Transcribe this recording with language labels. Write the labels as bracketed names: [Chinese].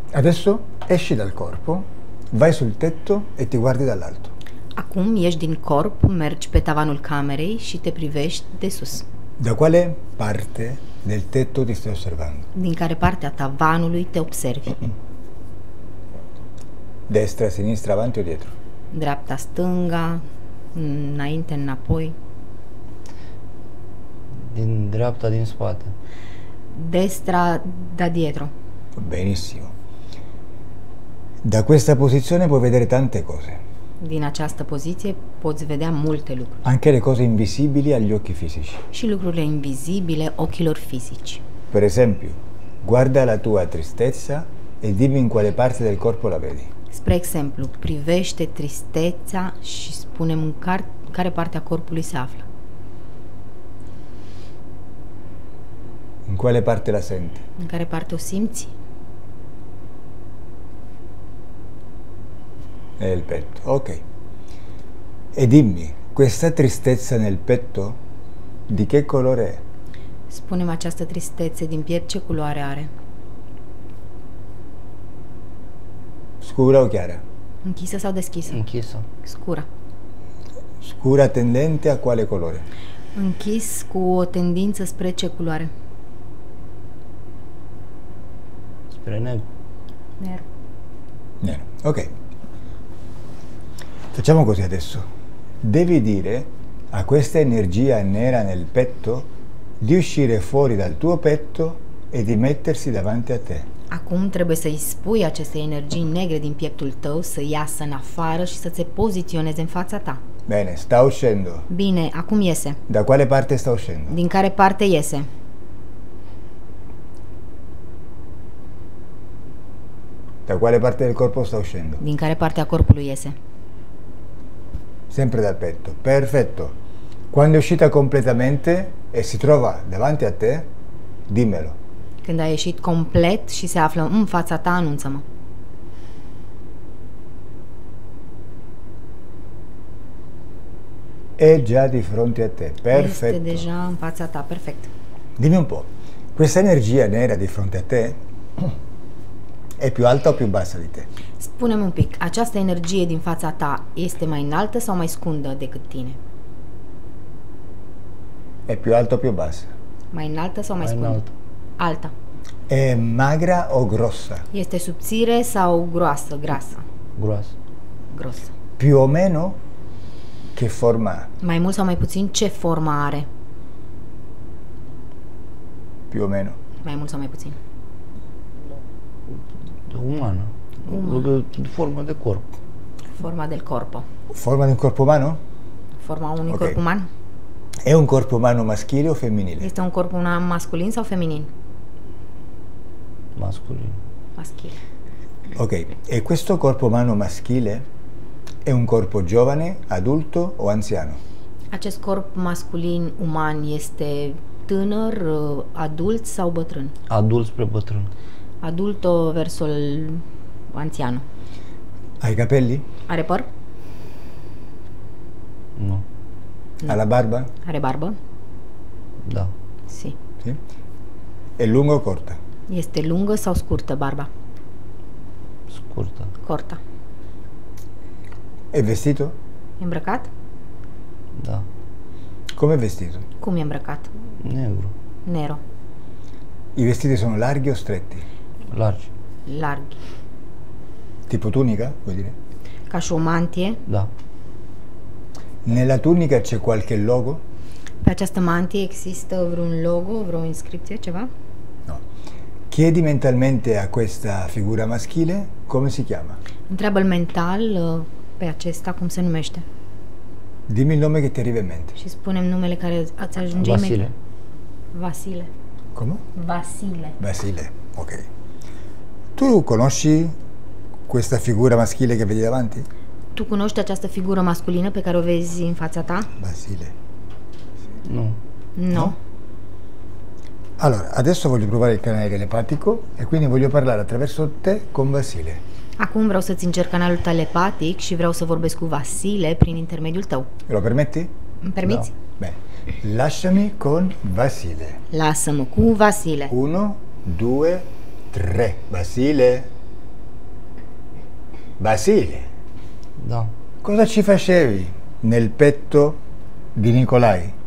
[Italian] Adesso esci dal corpo, vai sul tetto e ti guardi dall'alto. [Romanian] Acum ieși din corp, mergi pe tavanul camerei și te privești de sus. [Italian] Da quale parte del tetto ti stai osservando? [Romanian] Din care parte a tavanului te observi? [Italian] Destra, sinistra, avanti o dietro? [Romanian] Dreapta, stânga, înainte, înapoi. Din dreapta, din spate. [Italian] Destra, da dietro. Benissimo. Da questa posizione puoi vedere tante cose. [Romanian] Din această poziție poți vedea multe lucruri. [Italian] Anche le cose invisibili agli occhi fisici. [Romanian] Și lucrurile invizibile ochilor fisici. [Italian] Per esempio, guarda la tua tristezza e dimmi in quale parte del corpo la vedi. [Romanian] Spre exemplu, privește tristețea și spune-mi în care parte a corpului se află. [Italian] In quale parte la senti? [Romanian] În care parte o simți? [Italian] Nel petto, ok. E dimmi, questa tristezza nel petto, di che colore è? [Romanian] Spune-mi această tristețe din piept, ce culoare are? [Italian] Scura o chiară? [Romanian] Închisă sau deschisă? Închisă. [Italian] Scura. Scura tendente a quale colore? [Romanian] Închis cu o tendință spre ce culoare? Spre negru. [Italian] Nero. Nero, ok. Facciamo così adesso. Devi dire a questa energia nera nel petto di uscire fuori dal tuo petto e di mettersi davanti a te. [Romanian] Acum trebuie să-i spui aceste energii negre din pieptul tău să iasă în afară și să se poziționeze în fața ta. [Italian] Bene, sta uscendo. [Romanian] Bine, acum iese. [Italian] Da quale parte sta uscendo? [Romanian] Din care parte iese? [Italian] Da quale parte del corpo sta uscendo? [Romanian] Din care parte a corpului iese? [Italian] Sempre dal petto. Perfetto. Quando è uscita completamente e si trova davanti a te, dimmelo. [Romanian] când a ieșit complet și se află în fața ta, anunță-mă. [Italian] E già di fronte a te, perfetto. [Romanian] Este deja în fața ta, perfect. [Italian] Dimmi un po', questa energia nera di fronte a te è più alta o più bassa di te? [Romanian] Spune-mi un pic, această energie din fața ta este mai înaltă sau mai scundă decât tine? [Italian] È più alta o più bassa? [Romanian] Mai înaltă sau mai scundă? [Italian] Alta. Alta. È magra o grossa? [Romanian] Este subțire sau groasă, grasă? Groasă. Grosă. [Italian] Più o meno? Che forma? [Romanian] Mai mult sau mai puțin, ce formă are? [Italian] Più o meno. [Romanian] Mai mult sau mai puțin? Umană. Formă de corp. [Italian] Forma del corpo. Forma de un corp uman? [Romanian] Forma unui okay. corp uman. [Italian] E un [Romanian] corp uman [Italian] maschile o femminile? [Romanian] Este un corp uman masculin sau feminin? Masculin. [Italian] Maschile. Ok. E questo [Romanian] corp uman [Italian] maschile è un corpo giovane, adulto o anziano? [Romanian] Acest corp masculin uman este tânăr, adult sau bătrân? Adult spre bătrân. [Italian] Adulto versus anziano. Ai capelli? [Romanian] Are păr? Nu. [Italian] Ha la barba? [Romanian] Are barbă? Da. [Italian] Si. Si? E [Romanian] lungă [Italian] o cortă? [Romanian] Este lungă sau scurtă barba? Scurtă. [Italian] Corta. E vestito? [Romanian] E îmbrăcat? Da. Cum e [Italian] vestito? [Romanian] Cum e îmbrăcat? Negru. [Italian] Nero. I vestiti sono larghi o stretti? [Romanian] Largi. [Italian] Larghi. Tipo tunica, vuol dire? [Romanian] Ca și o mantie. Da. [Italian] Nella tunica c'è qualche logo? [Romanian] Pe această mantie există vreun logo, vreo inscripție, ceva? [Italian] No. Chiedi mentalmente a questa figura maschile come si chiama? [Romanian] Întreabă-l mental pe acesta cum se numește. [Italian] Dimmi il nome che ti arriva in mente. [Romanian] Și spune-mi numele care ați ajunge imediat. Vasile. Vasile. [Italian] Come? Vasile. Vasile, ok. Tu conosci questa figura maschile che vedi davanti? Tu conosci questa figura [Romanian] masculina pe care o vezi in fața ta? Basile. [Italian] Sì. No. No. No. Allora, adesso voglio provare il canale telepatico e quindi voglio parlare attraverso te con Basile. [Romanian] Acum vreau să-ți încerc canalul telepatic și vreau să vorbesc cu Basile prin intermediul tău. [Italian] Lo permetti? [Romanian] Îmi permiți? [Italian] No. Beh, lasciami con Basile. [Romanian] Lasă-mă cu Basile. [Italian] Uno, due, tre. Basile. Basile, [Romanian] da. [Italian] Cosa ci facevi nel petto di Nicolai?